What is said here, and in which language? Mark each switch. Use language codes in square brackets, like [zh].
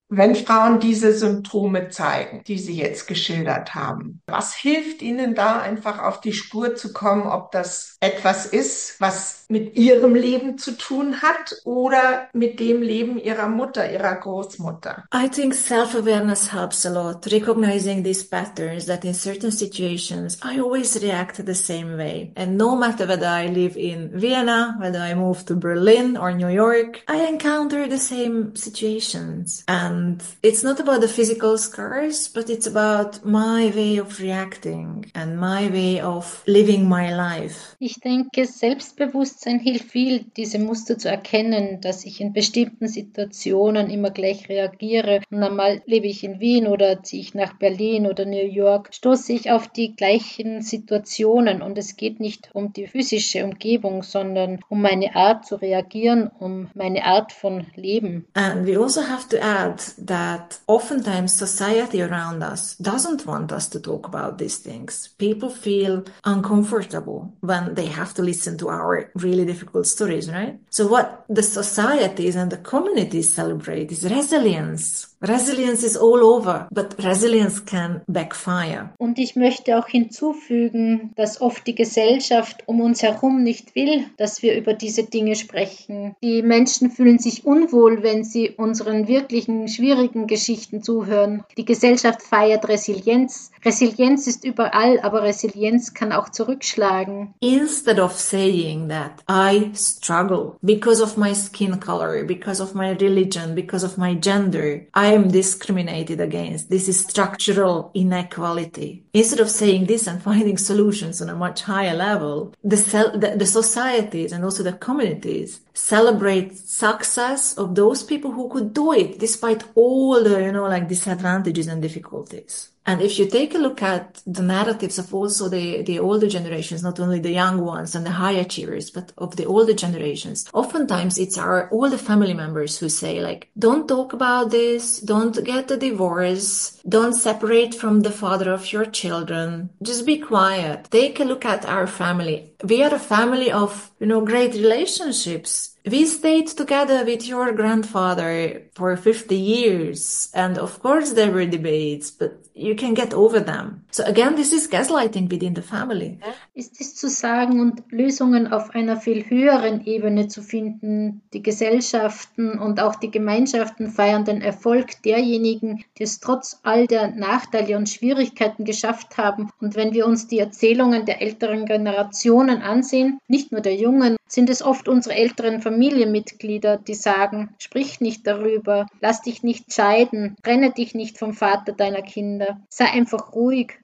[de] Wenn Frauen diese Symptome zeigen, die Sie jetzt geschildert haben, was hilft Ihnen da einfach auf die Spur zu kommen, ob das etwas ist, was mit Ihrem Leben zu tun hat oder mit dem Leben Ihrer Mutter, Ihrer Großmutter? [en] I think self-awareness helps a lot, recognizing these patterns that in certain situations I always react the same way. And no matter whether I live in Vienna, whether I move to Berlin or New York, I encounter the same situations. And it's not about the physical scars, but it's about my way of reacting and my way of living my life. [de] Ich denke, Selbstbewusstsein hilft viel, diese Muster zu erkennen, dass ich in bestimmten Situationen immer gleich reagiere. Und einmal lebe ich in Wien oder ziehe ich nach Berlin oder New York, stoße ich auf die gleichen Situationen. Und es geht nicht um die physische Umgebung, sondern um meine Art zu reagieren, um meine Art von Leben. [en] And we also have to add that oftentimes society around us doesn't want us to talk about these things. People feel uncomfortable when they have to listen to our really difficult stories, right? So what the societies and the communities celebrate is resilience. Resilience is all over, but resilience can backfire. [de] Und ich möchte auch hinzufügen, dass oft die Gesellschaft um uns herum nicht will, dass wir über diese Dinge sprechen. Die Menschen fühlen sich unwohl, wenn sie unseren wirklichen schwierigen Geschichten zuhören. Die Gesellschaft feiert Resilienz. Resilienz ist überall, aber Resilienz kann auch zurückschlagen. [en] Instead of saying that I struggle because of my skin color, because of my religion, because of my gender, I am discriminated against. This is structural inequality. Instead of saying this and finding solutions on a much higher level, the societies and also the communities celebrate success of those people who could do it despite all the, you know, like disadvantages and difficulties. And if you take a look at the narratives of also the older generations, not only the young ones and the high achievers, but of the older generations, oftentimes it's our older family members who say, like, don't talk about this, don't get a divorce, don't separate from the father of your children, just be quiet. Take a look at our family. We are a family of, you know, great relationships. We stayed together with your grandfather for 50 years. And of course there were debates, but you can get over them. So again, this is gaslighting within the family. [de] Ist dies zu sagen und Lösungen auf einer viel höheren Ebene zu finden? Die Gesellschaften und auch die Gemeinschaften feiern den Erfolg derjenigen, die es trotz all der Nachteile und Schwierigkeiten geschafft haben. Und wenn wir uns die Erzählungen der älteren Generationen ansehen, nicht nur der Jungen, sind es oft unsere älteren Familienmitglieder, die sagen, sprich nicht darüber, lass dich nicht scheiden, trenne dich nicht vom Vater deiner Kinder, sei einfach ruhig.